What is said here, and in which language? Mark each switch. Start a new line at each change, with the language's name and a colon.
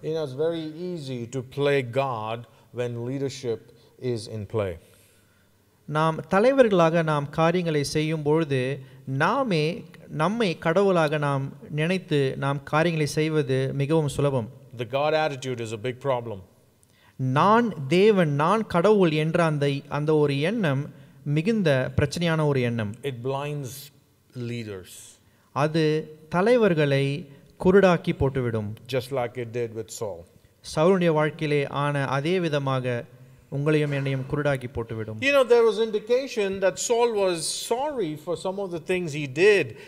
English: It is very easy to play God when leadership is in play.
Tamil: நாம் தலைவர்களாக நாம் காரியங்களை செய்யும் பொழுது நாமே நம்மை கடவுளாக நாம் நினைத்து நாம் காரியங்களை செய்வது மிகவும் சுலபம்.
English: The God attitude is a big problem.
Tamil: நான் தேவன், நான் கடவுள் என்ற அந்த ஒரு எண்ணம் மிகுந்த பிரச்சனையான ஒரு எண்ணம்.
English: It blinds leaders.
Tamil: அது தலைவர்களை குருடாக்கி போட்டுவிடும்.
English: Just like it did with Saul.
Tamil: சவுலுடைய வாழ்க்கையிலே ஆன அதே விதமாக உங்களையும் என்னையும் குருடாக்கி போட்டுவிடும்.
English: You know, there was indication that Saul was sorry for some of the things he did.